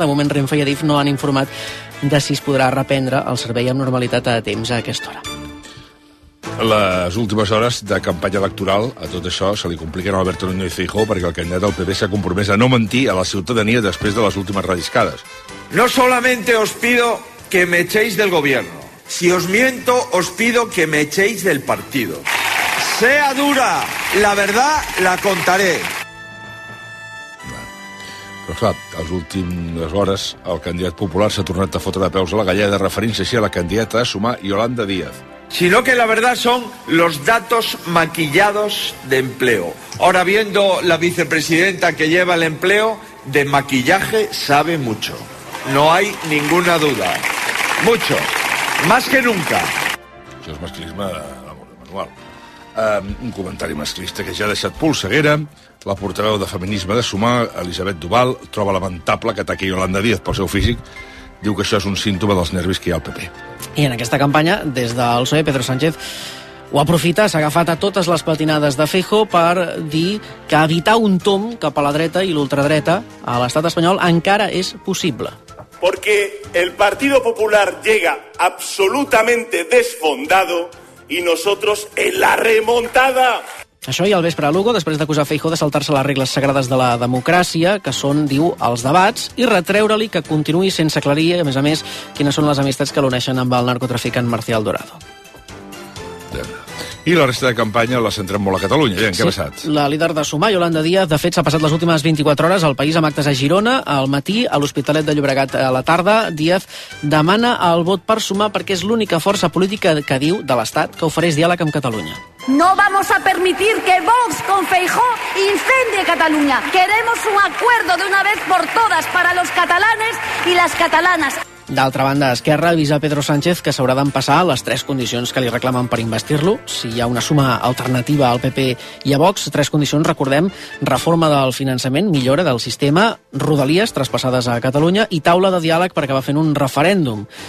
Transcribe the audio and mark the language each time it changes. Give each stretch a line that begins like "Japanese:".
Catalan: De moment, Renfe i Adif no han informat de si es podrà reprendre el servei amb normalitat a temps a aquesta hora. Les últimes hores de campanya electoral, a tot això se li compliquen a Alberto Núñez Feijóo perquè el candidat del PP s'ha compromès a no mentir a la ciutadania després de les últimes relliscades.
Spanish: No solamente os pido que me echéis del gobierno. Si os miento, os pido que me echéis del partido. Sea dura, la verdad la contaré.
Catalan: Però clar, les últimes hores el candidat popular s'ha tornat a fotre de peus a la galleda referint-se així a la candidata a sumar Yolanda Díaz.
Spanish: Sino que la verdad son los datos maquillados de empleo. Ahora viendo la vicepresidenta que lleva el empleo, de maquillaje sabe mucho. No hay ninguna duda. Mucho. Más que nunca.
Catalan: Això és masclisme manual. Un comentari masclista que ja ha deixat polseguera. La portaveu de feminisme de Sumar, Elisabet Duval, troba lamentable que ataqui Yolanda Díaz pel seu físic. Diu que això és un símptoma dels nervis que hi ha al PP. I en aquesta campanya, des del PSOE, Pedro Sánchez ho aprofita, s'ha agafat a totes les patinades de Feijóo per dir que evitar un tomb cap a la dreta i l'ultradreta a l'estat espanyol encara és possible.
Spanish: Porque el Partido Popular llega absolutamente desfondado y nosotros en la remontada.
Catalan: Això i al vespre a Lugo, després d'acusar Feijóo de saltar-se les regles sagrades de la democràcia, que són, diu, els debats, i retreure-li que continuï sense aclarir, a més, quines són les amistats que l'uneixen amb el narcotraficant Marcial Dorado. I la resta de campanya la centrem molt a Catalunya. Bé, què ha passat? La líder de Sumar, Yolanda Díaz, de fet, s'ha passat les últimes 24 hores al País amb actes a Girona, al matí, a l'Hospitalet de Llobregat a la tarda. Díaz demana el vot per Sumar perquè és l'única força política que diu de l'Estat que ofereix diàleg amb Catalunya.
Spanish: No vamos a permitir que Vox con Feijóo incendie Cataluña. Queremos un acuerdo de una vez por todas para los catalanes y las catalanas.
Catalan: D'altra banda, Esquerra avisa Pedro Sánchez que s'haurà d'empassar les tres condicions que li reclamen per investir-lo. Si hi ha una suma alternativa al PP i a Vox, tres condicions, recordem, reforma del finançament, millora del sistema, rodalies traspassades a Catalunya i taula de diàleg per acabar fent un referèndum.